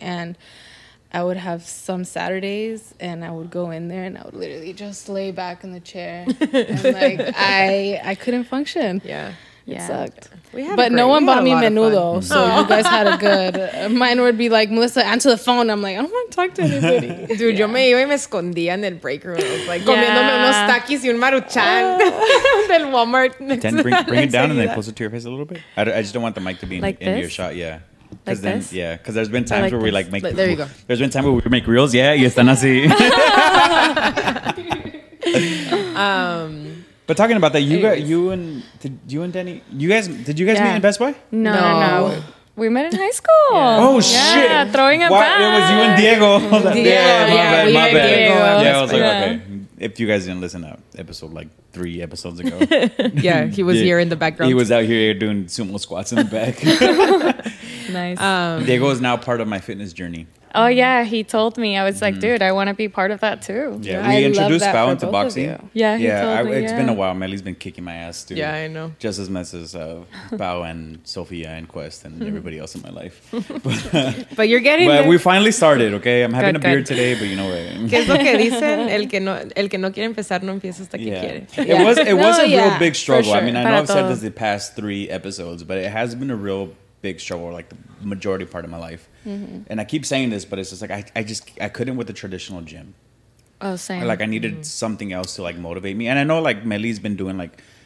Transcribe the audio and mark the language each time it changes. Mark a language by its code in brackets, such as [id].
[en] And I would have some Saturdays and I would go in there and I would literally just lay back in the chair. And like, I couldn't function. Yeah. It sucked. But no one bought me menudo. So you guys had a good, mine would be like, Melissa, answer the phone. I'm like, I don't want to talk to anybody. [es] Dude, yo me iba y me escondía en el break room. [en] Like, [es] comiéndome unos taquis y un maruchan del Walmart. [en] Bring it down and then close it to your face a little bit. I just don't want the mic to be in your shot. Yeah. Like then, this? Yeah, because there's been times where we like make. There you go. There's been times where we make reels. Yeah, [es] y están así. [en] But talking about that, did you guys meet in Best Boy? No. We met in high school. Yeah. Oh shit! Yeah, throwing it back. It was you and Diego. My bad. Yeah, I was like, okay. If you guys didn't listen to episode like 3 episodes ago. Yeah, he was here in the background. He was out here doing sumo squats in the back. Nice. Diego is now part of my fitness journey. Oh yeah, he told me. I was like, dude, I want to be part of that too. Yeah, we introduced Bao into boxing. Yeah, he told me, it's been a while. Melly's been kicking my ass too. Yeah, I know. Just as much as Bao and Sophia and Quest and everybody else in my life. But you're getting. But we finally started. Okay, I'm having a beard today, but you know what? [es] Que es lo que dicen, el que no quiere empezar no empieza hasta que quiere. [en] It was a real big struggle. Sure. I mean, I know I've said this the past 3 episodes, but it has been a real big struggle, like the majority part of my life. Mm-hmm. And I keep saying this, but it's just like I couldn't with the traditional gym. Oh, same. Like I needed something else to like motivate me. And I know like Melly's been doing like